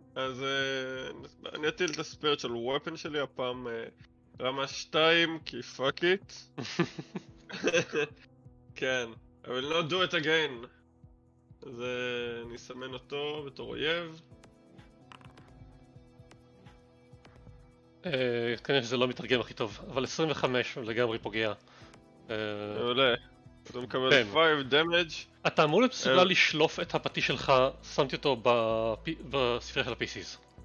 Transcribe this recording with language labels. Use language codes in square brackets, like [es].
[he] אז אני אטיל את הספירט של וואפן שלי הפעם רמה 2, כי [en] fuck it. [he] כן, [en] I will not do it again. [he] אז אני אסמן אותו בתור אויב. כנראה שזה לא מתרגם הכי טוב, אבל 25 לגמרי פוגע. עולה. אתה מקבל 5 damage. אתה אמור להיות מסוגל לשלוף את הפטי שלך, שמתי אותו בספרי של ה-PCs.